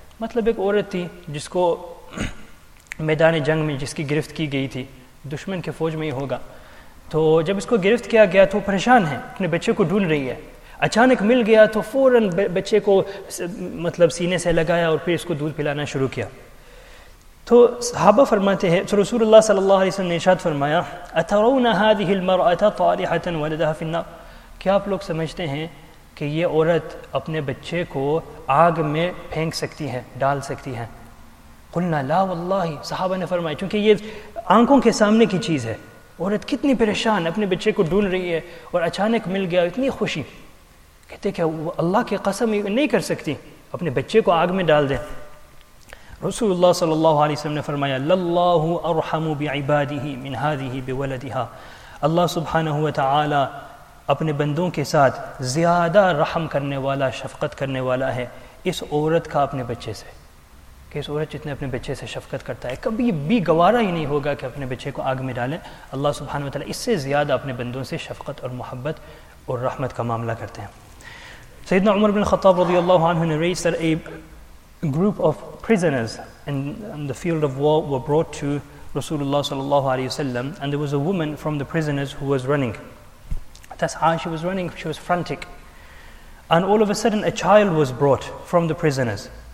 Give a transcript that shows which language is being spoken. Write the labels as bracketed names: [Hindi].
[Urdu] Matlab ek aurat thi jisko maidan jang mein jiski girift ki gayi thi, دشمن کے فوج میں ہی ہوگا, تو جب اس کو گرفت کیا گیا تو پریشان ہے, اپنے بچے کو ڈھونڈ رہی ہے, اچانک مل گیا تو فوراً بچے کو مطلب سینے سے لگایا اور پھر اس کو دودھ پلانا شروع کیا. تو صحابہ فرماتے ہیں, تو رسول اللہ صلی اللہ علیہ وسلم نے ارشاد فرمایا, [Arabic] اترون هذه المرأة طارحة ولدها في النار, [Urdu] کیا آپ لوگ سمجھتے ہیں کہ یہ عورت اپنے بچے کو آگ میں پھینک سکتی ہے, ڈال سکتی ہے؟ [Arabic] قلنا لا والله, [Urdu] صحابہ نے فرمایا, چونکہ یہ آنکھوں کے سامنے کی چیز ہے, عورت کتنی پریشان اپنے بچے کو ڈھونڈ رہی ہے اور اچانک مل گیا, اتنی خوشی, کہتے کہ اللہ کی قسم نہیں کر سکتی اپنے بچے کو آگ میں ڈال دے. رسول اللہ صلی اللہ علیہ وسلم نے فرمایا, [Arabic] اللہ ارحم بعبادہ من ہذہ بولدہا, [Urdu] اللہ سبحانہ و تعالی اپنے بندوں کے ساتھ زیادہ رحم کرنے والا, شفقت کرنے والا ہے اس عورت کا اپنے بچے سے, کہ اس عورت جتنے اپنے بچے سے شفقت کرتا ہے کبھی بھی گوارا ہی نہیں ہوگا کہ اپنے بچے کو آگ میں ڈالیں, اللہ سبحانہ وتعالی اس سے زیادہ اپنے بندوں سے شفقت اور محبت اور رحمت کا معاملہ کرتے ہیں. [English] سیدنا عمر بن خطاب رضی اللہ عنہ narrates that a group of prisoners in the field of war were brought to Rasulullah صلی اللہ علیہ وسلم, and there was a woman from the prisoners who was running. تسعہ, she was running, she was frantic. And all of a sudden a child was brought from the prisoners.